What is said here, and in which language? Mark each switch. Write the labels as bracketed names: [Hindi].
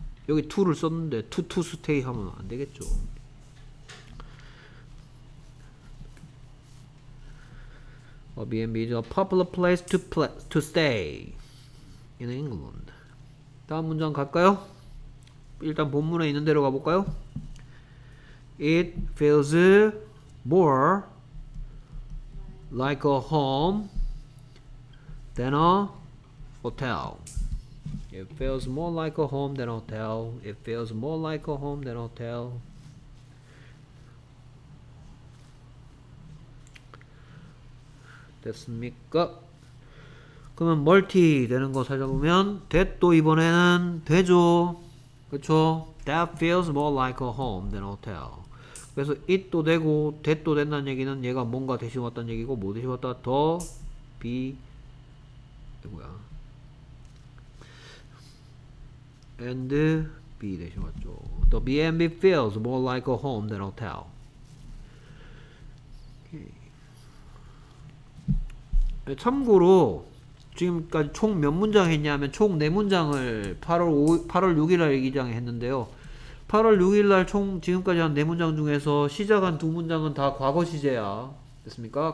[Korean] 여기 to를 썼는데 to stay 하면 안 되겠죠. [English] 어, B&B is a popular place to stay in England. [Korean] 다음 문장 갈까요? 일단 본문에 있는 대로 가볼까요? [English] It feels more like a home than a hotel. It feels more like a home than a hotel. It feels more like a home than a hotel. [Korean] 됐습니까? 그러면 멀티 되는 거 찾아보면 that도 이번에는 되죠. 그렇죠? [English] That feels more like a home than a hotel. [Korean] 그래서 it도 되고 that도 된다는 얘기는 얘가 뭔가 대신 왔다는 얘기고 뭐 대신 왔다 더 be 뭐야 and be 대신 왔죠. [English] The B&B feels more like a home than a hotel. Okay. [Korean] 참고로 지금까지 총 몇 문장 했냐면 총 네 문장을 8월 6일날 일기장에 했는데요. 8월 6일 날 총 지금까지 한 네 문장 중에서 시작한 두 문장은 다 과거 시제야. 됐습니까?